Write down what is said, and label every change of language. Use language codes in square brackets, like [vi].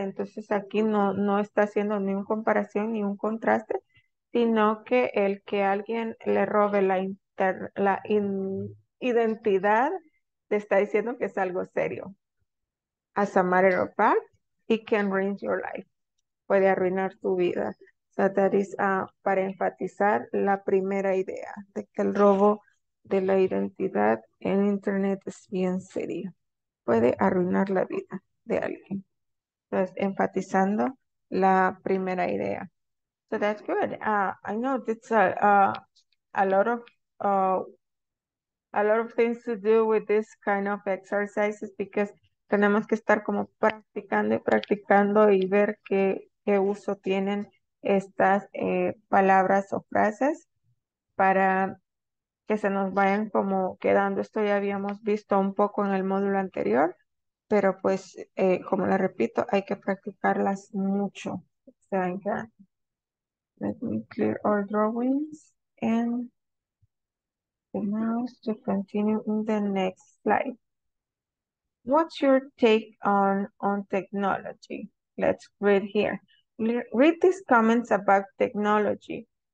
[es] Entonces aquí no está haciendo ni una comparación ni un contraste, sino que el que alguien le robe la identidad te está diciendo que es algo serio. [en] As a matter of fact, it can ruin your life. [es] Puede arruinar tu vida. [en] So that is [es] para enfatizar la primera idea de que el robo de la identidad en internet es bien serio. Puede arruinar la vida de alguien. Entonces, enfatizando la primera idea. [en] So that's good. I know it's a lot of things to do with this kind of exercises because [es] tenemos que estar como practicando y practicando y ver qué uso tienen estas palabras o frases para que se nos vayan como quedando. Esto ya habíamos visto un poco en el módulo anterior, pero pues, como le repito, hay que practicarlas mucho. Se van quedando. [en] Let me clear our drawings and the mouse to continue in the next slide. What's your take on technology? Let's read here. Read these comments about technology.